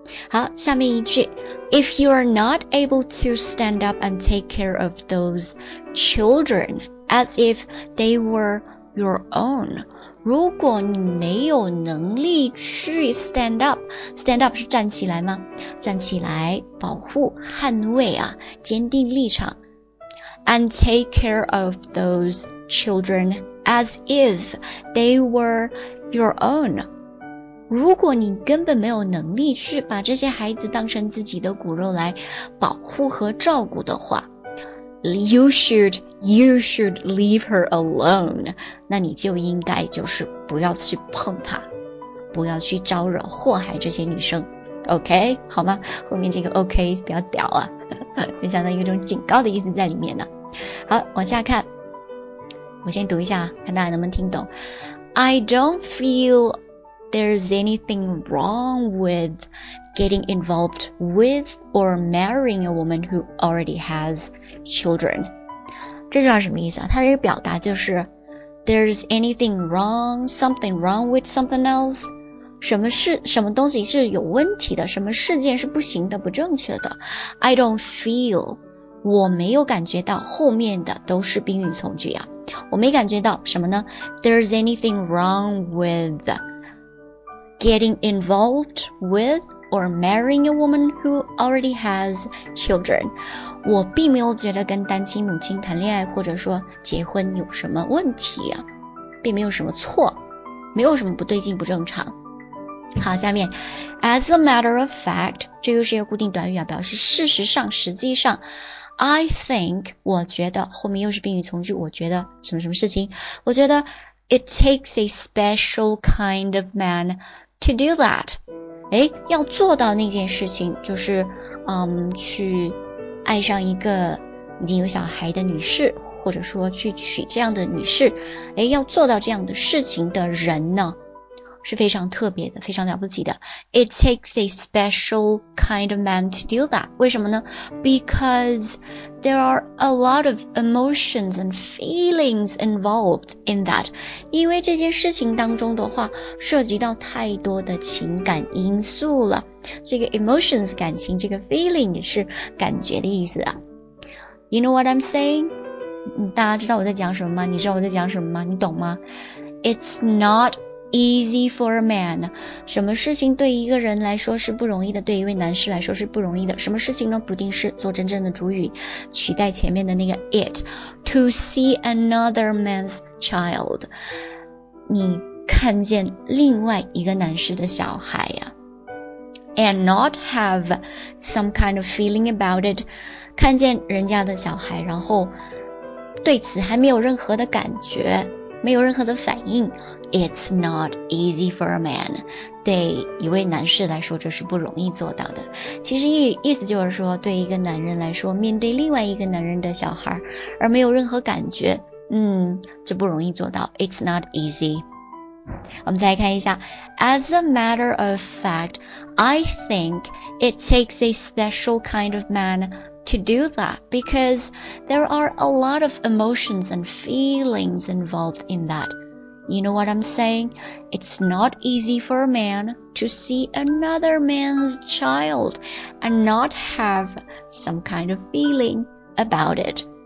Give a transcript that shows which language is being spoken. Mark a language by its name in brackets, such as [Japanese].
[Chinese] 好，下面一句， [English] If you are not able to stand up and take care of those children as if they were your own, [Chinese] 如果你没有能力去 [English] stand up, stand up [Chinese] 是站起来吗？站起来保护捍卫啊，坚定立场。 [English] And take care of those children as if they were your own, [Chinese] 如果你根本没有能力去把这些孩子当成自己的骨肉来保护和照顾的话， [English] You should leave her alone, [Chinese] 那你就应该就是不要去碰她，不要去招惹祸害这些女生， OK 好吗？后面这个 OK 比较屌啊，没想到有一种警告的意思在里面呢。好，往下看，我先读一下看大家能不能听懂。 [English] I don't feelThere's anything wrong with getting involved with or marrying a woman who already has children. [Chinese] 这句话什么意思啊？它这个表达就是 [English] There's anything wrong, something wrong with something else. [Chinese] 什么东西是有问题的，什么事件是不行的，不正确的。 [English] I don't feel, [Chinese] 我没有感觉到，后面的都是宾语从句啊。我没感觉到什么呢？ [English] There's anything wrong withGetting involved with or marrying a woman who already has children. [Chinese] 我并没有觉得跟单亲母亲谈恋爱或者说结婚有什么问题啊，并没有什么错，没有什么不对劲不正常。好，下面 [English] As a matter of fact, [Chinese] 这又是一个固定短语啊，表示事实上实际上。 [English] I think, [Chinese] 我觉得，后面又是宾语从句，我觉得什么什么事情，我觉得 [English] It takes a special kind of man to do that. [Chinese] 诶，要做到那件事情，就是去爱上一个已经有小孩的女士，或者说去娶这样的女士，诶，要做到这样的事情的人呢，是非常特别的，非常了不起的。 [English] It takes a special kind of man to do that. [Chinese] 为什么呢？ [English] Because there are a lot of emotions and feelings involved in that. [Chinese] 因为这件事情当中的话，涉及到太多的情感因素了。这个 emotions 感情，这个 feeling 也是感觉的意思啊。 [English] You know what I'm saying? [Chinese] 大家知道我在讲什么吗？你知道我在讲什么吗？你懂吗？ [English] It's not... Easy for a man. [Chinese] 什么事情对一个人来说是不容易的，对一位男士来说是不容易的。什么事情呢？不定式做真正的主语，取代前面的那个 it. [English] To see another man's child. [Chinese] 你看见另外一个男士的小孩呀、啊。 [English] And not have some kind of feeling about it. [Chinese] 看见人家的小孩，然后对此还没有任何的感觉，没有任何的反应。 [English] It's not easy for a man. [Chinese] 对一位男士来说，这是不容易做到的。其实意思就是说，对一个男人来说，面对另外一个男人的小孩而没有任何感觉，这不容易做到。 [English] It's not easy. [Chinese] 我们再来看一下。 [English] As a matter of fact, I think it takes a special kind of man to do that because there are a lot of emotions and feelings involved in that. You know what I'm saying? It's not easy for a man to see another man's child and not have some kind of feeling about it.